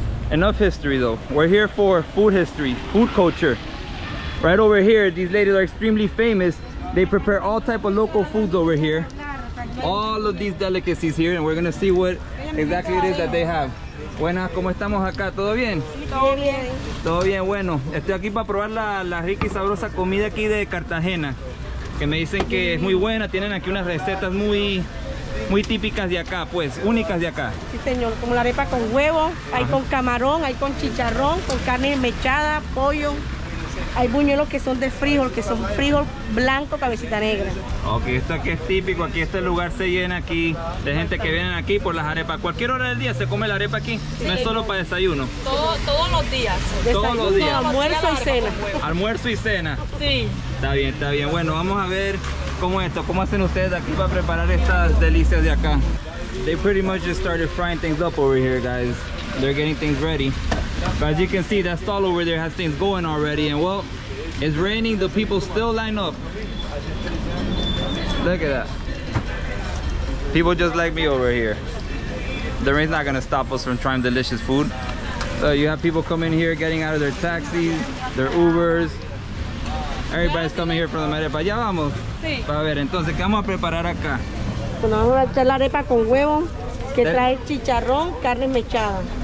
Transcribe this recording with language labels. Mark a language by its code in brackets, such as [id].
[en] Enough history though, we're here for food history, food culture. Right over here, these ladies are extremely famous. They prepare all type of local foods over here. All of these delicacies here, and we're gonna see what exactly it is that they have. [es] Buenas, ¿cómo estamos acá? ¿Todo bien? Todo bien, bueno. Estoy aquí para probar la rica y sabrosa comida aquí de Cartagena. Que me dicen que es muy buena, tienen aquí unas recetas muy típicas de acá, pues, únicas de acá. Sí, señor, como la arepa con huevo, hay con camarón, hay con chicharrón, con carne mechada, pollo. Hay buñuelos que son de frijol, que son frijol blanco, cabecita negra. Ok, esto aquí es típico, aquí este lugar se llena aquí de gente que viene aquí por las arepas. Cualquier hora del día se come la arepa aquí, sí, no es solo para desayuno. Todos los días. Desayuno, todos los días. Almuerzo y cena. Almuerzo y cena. Sí. Está bien, bueno, vamos a ver cómo esto, cómo hacen ustedes aquí para preparar estas delicias de acá. [en] They pretty much just started frying things up over here, guys. They're getting things ready. But as you can see, that stall over there has things going already, and well, it's raining, the people still line up. Look at that. People just like me over here. The rain's not gonna stop us from trying delicious food. So you have people coming here, getting out of their taxis, their Ubers. Everybody's coming here from the arepa. [es] Ya vamos. Sí. A ver, entonces, ¿qué vamos a preparar acá? Bueno, vamos a echar la arepa con huevo, que trae chicharrón, carne mechada.